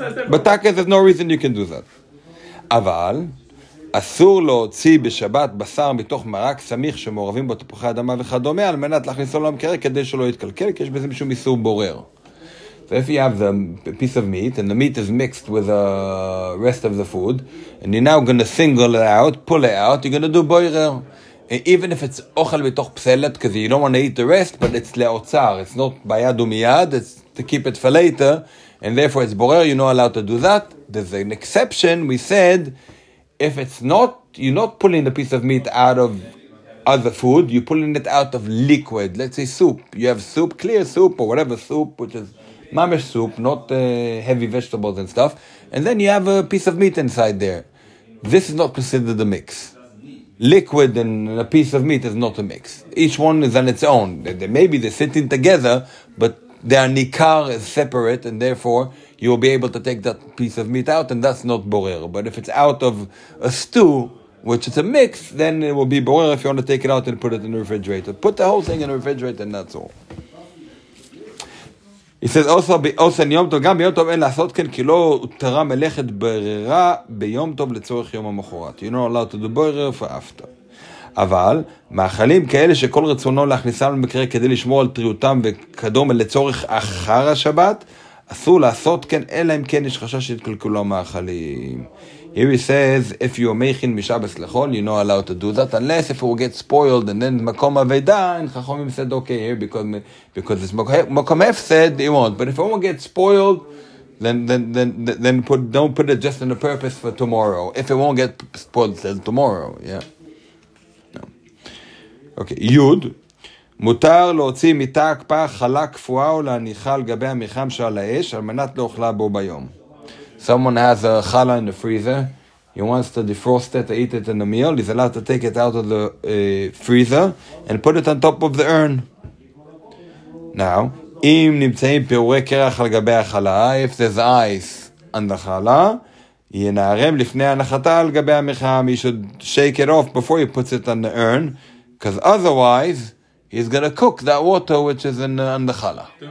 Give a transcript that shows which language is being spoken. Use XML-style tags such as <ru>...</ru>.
<en>But there's no reason you can do that. Aval,</en> <he>אסור להוציא בשבת בשר מתוך מרק סמיך שמעורבים בו תפוחי אדמה וכדומה, על מנת להכניסו למקרר כדי שלא יתקלקל, כי יש בזה משום איסור בורר.</he> <en>So if you have the piece of meat, and the meat is mixed with the rest of the food, and you're now going to single it out, pull it out, you're going to do boirer. Even if it's</en> <he>אוכל בתוך פסלת,</he> <en>because you don't want to eat the rest, but it's לאוצר, it's not</en> <he>ביד ומיד,</he> <en>it's to keep it for later, and therefore it's בורר, you're not allowed to do that. There's an exception, we said, if it's not, you're not pulling the piece of meat out of other food, you're pulling it out of liquid, let's say soup. You have soup, clear soup, or whatever soup, which is mamish soup, not heavy vegetables and stuff, and then you have a piece of meat inside there. This is not considered a mix. Liquid and a piece of meat is not a mix. Each one is on its own. Maybe they're sitting together, but their nikar is separate, and therefore you'll be able to take that piece of meat out, and that's not borer. But if it's out of a stew, which is a mix, then it will be borer if you want to take it out and put it in the refrigerator. Put the whole thing in the refrigerator, and that's all. He says, also, in Yom Tov,</en> <he>גם ביום טוב אין לעשות כן, כי לא תרה מלאכת ברירה ביום טוב לצורך יום המחורת.</he> <en>You know, allowed to do boirer for after.</en> <he>אבל, מאכלים כאלה שכל רצונו להכניסה למקרה כדי לשמור על טריותם וכדומה לצורך אחר השבת, אסור לעשות כן, אלא אם כן יש חשש שיתקלקלו מאכלים.</he> <en>Here he says, if you are making</en> <he>משבס לחול,</he> <en>you know, allowed to do that, unless if it will get spoiled, and then</en> <he>מקום עבדה,</he> <en>and חכומים said, okay, here, because it's מקום F said, he won't, but if it will get spoiled, then put, don't put it just in the purpose for tomorrow. If it won't get spoiled, then tomorrow, yeah.</en> <he>Okay, יוד, מותר להוציא מיטה הקפאה חלה קפואה או להניחה על גבי המחם שעל האש, על מנת לאוכלה בו ביום.</he> <en>Someone has a challah in the freezer. He wants to defrost it, to eat it in a meal. He's allowed to take it out of the freezer and put it on top of the urn.</en> <he>Now, אם נמצאים פירורי קרח על גבי החלה,</he> <en>if there's ice on the challah,</en> <he>ינערם לפני הנחתה על גבי המחם.</he> <en>He should shake it off before he puts it on the urn, because otherwise, he's going to cook that water which is in on the challah.</en>